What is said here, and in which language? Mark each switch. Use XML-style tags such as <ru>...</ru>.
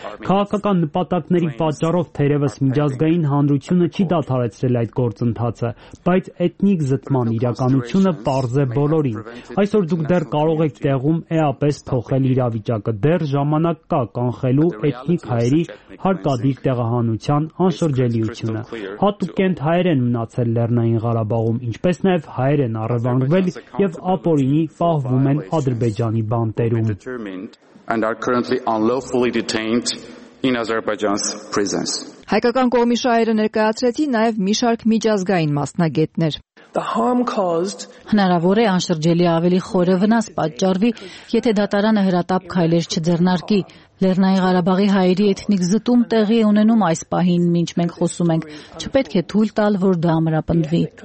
<hy>Քաղաքական նպատակների պատճառով թերևս միջազգային հանրությունը չի դադարեցրել այդ գործընթացը, բայց էթնիկ զտման իրականությունը պարզ է բոլորին։ Այսօր դուք դեռ կարող եք տեղում էապես փոխել իրավիճակը, դեռ ժամանակ կա կանխելու էթնիկ հայերի հարկադիր տեղահանության անշրջելիությունը։ Հատուկ կենդ հայեր են մնացել Լեռնային Ղարաբաղում, ինչպես նաև հայեր են առևանգվել և ապօրինի պահվում են Ադրբեջանի բանտերում։</hy> <en>And are currently unlawfully detained in Azerbaijan's prisons.</en> <hy>Հայկական կողմի շահերը ներկայացրեցին նաև մի շարք միջազգային մասնագետներ։</hy> <en>The harm caused</en> <hy>հնարավոր է անշրջելի ավելի խորը վնաս պատճառվի, եթե դատարանը հրատապ քայլեր չձեռնարկի։ Լեռնային Ղարաբաղի հայերի էթնիկ զտում տեղի է ունենում այս պահին, մինչ մենք խոսում ենք։ Չպետք է թույլ տալ, որ դա ամրապնդվի։</hy>